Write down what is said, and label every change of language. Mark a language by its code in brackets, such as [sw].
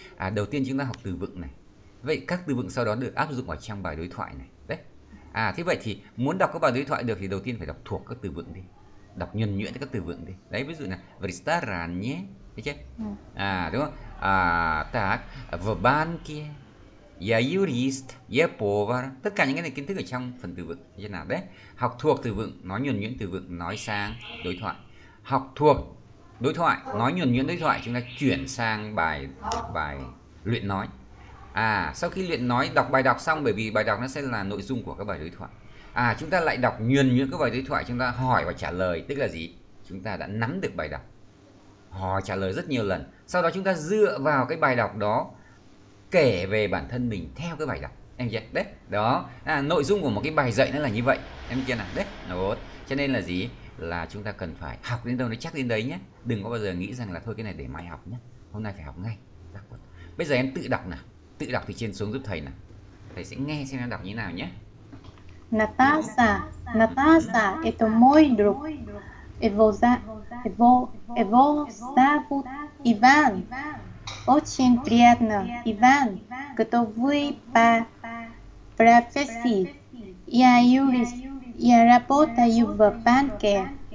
[vi] À, đầu tiên chúng ta học từ vựng này. Vậy các từ vựng sau đó được áp dụng vào trong bài đối thoại này. Đấy. À, thế vậy thì muốn đọc các bài đối thoại được thì đầu tiên phải đọc thuộc các từ vựng đi. Đọc nhuần nhuyễn các từ vựng đi. Đấy, ví dụ là [ru] в ресторане. А, да? А, так, в банке я юрист, я повар. [vi] Tất cả những cái này kiến thức ở trong phần từ vựng như thế nào đấy. Học thuộc từ vựng, nói nhuần nhuyễn từ vựng, nói sang đối thoại. Học thuộc đối thoại, nói nhuần nhuyễn đối thoại, chúng ta chuyển sang bài bài luyện nói. À, sau khi luyện nói đọc bài đọc xong, bởi vì bài đọc nó sẽ là nội dung của các bài đối thoại. À, chúng ta lại đọc nhuần nhuyễn các bài đối thoại, chúng ta hỏi và trả lời, tức là gì? Chúng ta đã nắm được bài đọc. Họ trả lời rất nhiều lần. Sau đó chúng ta dựa vào cái bài đọc đó kể về bản thân mình theo cái bài đọc. Em chưa? Đấy, đó. À, nội dung của một cái bài dạy nó là như vậy. Em chưa nào? Đấy, đúng. Cho nên là gì? Là chúng ta cần phải học đến đâu nó chắc đến đấy nhé. Đừng có bao giờ nghĩ rằng là thôi cái này để mai học nhé. Hôm nay phải học ngay. Bây giờ em tự đọc nào. Tự đọc từ trên xuống giúp thầy nào. Thầy sẽ nghe xem em đọc như nào nhé. [ru] Natasha, Natasha, это мой друг. Его зовут Иван. Очень приятно, Иван, кто вы по профессии? Я юрист, я работаю в банке.